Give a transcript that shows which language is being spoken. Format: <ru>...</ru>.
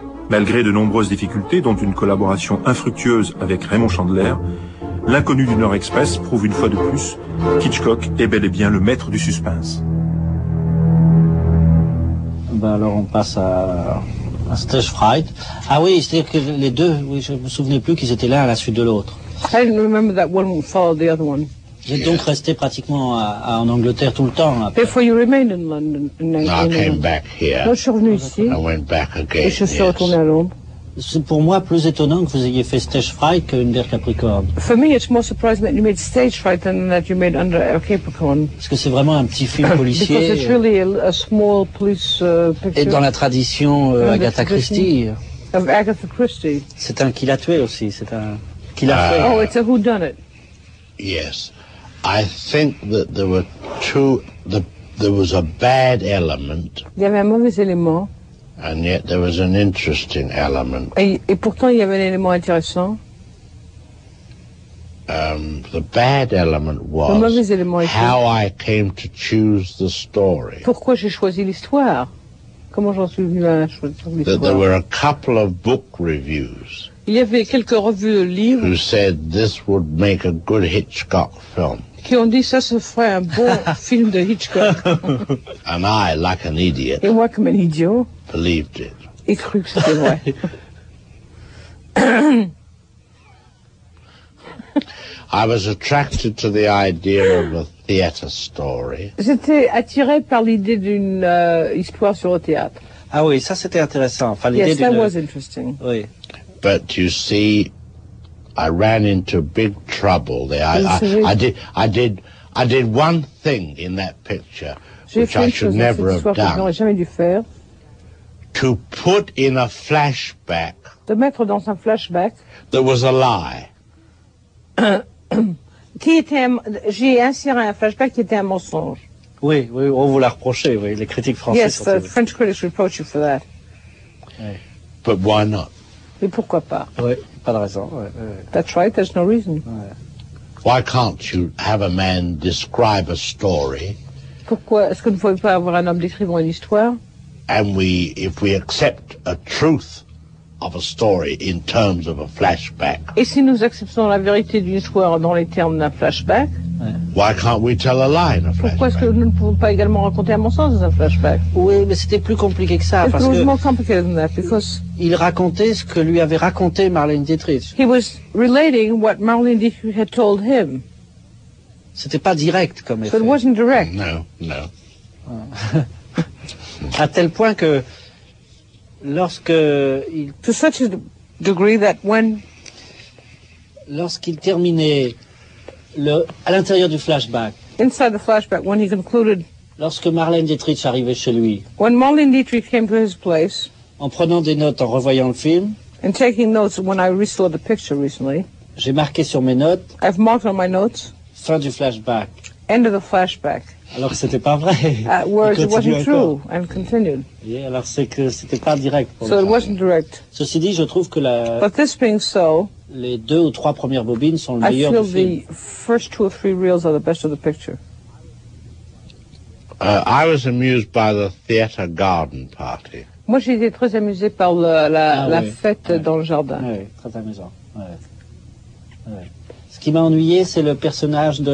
<fr>Malgré de nombreuses difficultés, dont une collaboration infructueuse avec Raymond Chandler, L'Inconnu du Nord Express prouve une fois de plus qu'Hitchcock est bel et bien le maître du suspense. Ben alors on passe à Stage Fright. Ah oui, c'est-à-dire que les deux, oui, je ne me souvenais plus qu'ils étaient l'un à la suite de l'autre.</fr> <en>I didn't remember that one followed the other one.</en> <fr>J'ai donc resté pratiquement en Angleterre tout le temps.</fr> <en>Before you remained in London. No, I came back here.</en> <fr>Je suis revenu ici.</fr> <en>I went back again.</en> <fr>Et je suis retourné à Londres. C'est pour moi plus étonnant que vous ayez fait Stage Fright que Under Capricorn.</fr> <en>For me, it's more surprising that you made Stage Fright than that you made Under Capricorn.</en> <fr>Parce que c'est vraiment un petit film policier.</fr> <en>Because it's really a small police picture.</en> <fr>Et dans la tradition Agatha Christie.</fr> <en>Of Agatha Christie.</en> <fr>C'est un qui l'a tué aussi. C'est un qui l'a fait.</fr> <en>Oh, it's a whodunit. Yes. I think that there were two. There was a bad element.</en> <fr>Il y avait un mauvais élément.</fr> <en>And yet there was an interesting element.</en> <fr>Et pourtant il y avait un élément intéressant.</fr> <en>The bad element was.</en> <fr>Le mauvais élément était.</fr> <en>How I came to choose the story.</en> <fr>Pourquoi j'ai choisi l'histoire? Comment j'en suis venu à choisir l'histoire?</fr> <en>That there were a couple of book reviews.</en> <fr>Il y avait quelques revues de livres.</fr> <en>Who said this would make a good Hitchcock film?</en> <fr>Qui ont dit ça se ferait un beau film de Hitchcock.</fr> <en>And I, like an idiot.</en> <fr>Et moi comme un idiot.</fr> <en>Believed it.</en> <fr>Et cru que c'était vrai.</fr> <en>I was attracted to the idea of a theater story.</en> <fr>J'étais attiré par l'idée d'une histoire sur le théâtre. Ah oui, ça c'était intéressant. Enfin,</fr> <en>yes,</en> <fr>l'idée</fr> <en>that</en> <fr>d'une...</fr> <en>was interesting.</en> <fr>Oui.</fr> <en>But you see, I ran into big trouble there. I did one thing in that picture, which I should never have done.</en> <fr>J'aurais jamais dû faire.</fr> <en>To put in a flashback.</en> <fr>De mettre dans un flashback.</fr> <en>There was a lie.</en> <fr>Qui était j'ai inséré un flashback qui était un mensonge. Oui, oui, on vous l'a reproché. Oui, les critiques françaises.</fr> <en>Yes, the French critics reproach you for that.</en> <fr>Oui.</fr> <en>But why not?</en> <fr>Mais pourquoi pas? Oui, pas de raison. Oui.</fr> <en>That's right, there's no reason. Why can't you have a man describe a story?</en> <fr>Pourquoi est-ce que vous ne pouvez pas avoir un homme décrivant une histoire?</fr> <en>And we, if we accept a truth of a story in terms of a flashback.</en> <fr>Et si nous acceptons la vérité d'une histoire dans les termes d'un flashback?</fr> <en>Why can't we tell a lie in a flashback?</en> <fr>Pourquoi est-ce que nous ne pouvons pas également raconter un mensonge dans un flashback? Oui, mais c'était plus compliqué que ça.</fr> <en>It</en> <fr>parce</fr> <en>was</en> <fr>que</fr> <en>more complicated than that, because</en> <fr>il racontait ce que lui avait raconté Marlene Dietrich.</fr> <en>He was relating what Marlene Dietrich had told him.</en> <fr>C'était pas direct comme effet.</fr> <en>So it wasn't direct. No, no.</en> <fr>À tel point que lorsque il...</fr> <en>To such a degree that when...</en> <fr>Lorsqu'il terminait... À l'intérieur du flashback.</fr> <en>Inside the flashback, when he concluded.</en> <fr>Lorsque Marlene Dietrich arrivait chez lui.</fr> <en>When Marlene Dietrich came to his place.</en> <fr>En prenant des notes en revoyant le film.</fr> <en>And taking notes when I re-saw the picture recently.</en> <fr>J'ai marqué sur mes notes.</fr> <en>I've marked on my notes.</en> <fr>Fin du flashback.</fr> <en>End of the flashback.</en> <fr>Alors c'était pas vrai.</fr> <en>Whereas it wasn't true and continued.</en> <fr>Yeah, alors c'est que c'était pas direct.</fr> <en>So it wasn't direct.</en> <fr>Ceci dit, je trouve que la.</fr> <en>But this being so.</en> <fr>Les deux ou trois premières bobines sont le meilleur du film.</fr> <en>I feel the first two or three reels are the best of the picture. I was amused by the theater garden party.</en> <fr>Moi, j'ai été très amusé par la fête dans le jardin. Oui, très amusant. Oui. Ce qui m'a ennuyé, c'est le personnage de...</fr>